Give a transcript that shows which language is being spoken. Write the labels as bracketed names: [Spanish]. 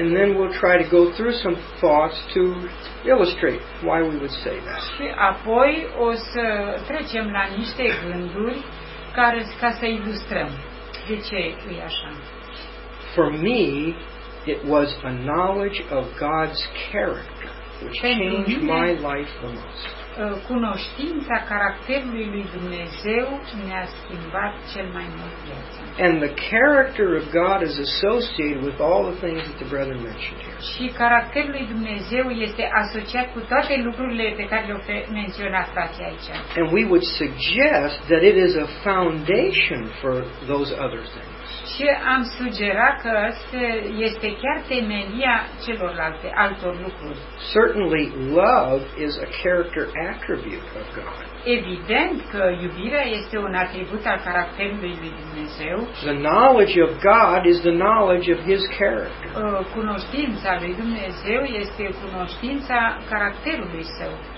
[English] And then we'll try to go through some thoughts to illustrate why we would say that. [Romanian] Și apoi o să trecem la niște gânduri care ca să ilustrăm de ce e așa. [English] For me, it was a knowledge of God's character which changed my life the most. [Romanian] Cunoștința caracterului lui Dumnezeu ne-a schimbat cel mai mult viața. [English] And the character of God is associated with all the things that the brethren mentioned here. [Romanian] Și caracterul lui Dumnezeu este asociat cu toate lucrurile pe care le-au menționat frații aici. [English] And we would suggest that it is a foundation for those other things. [Romanian] Și am sugerat că asta este chiar temelia celorlalte, altor lucruri. [English] Certainly, love is a character attribute of God. [Romanian] Evident că iubirea este un atribut al caracterului lui Dumnezeu. [English] The knowledge of God is the knowledge of His character. [Romanian] Cunoștința lui Dumnezeu este cunoștința caracterului său.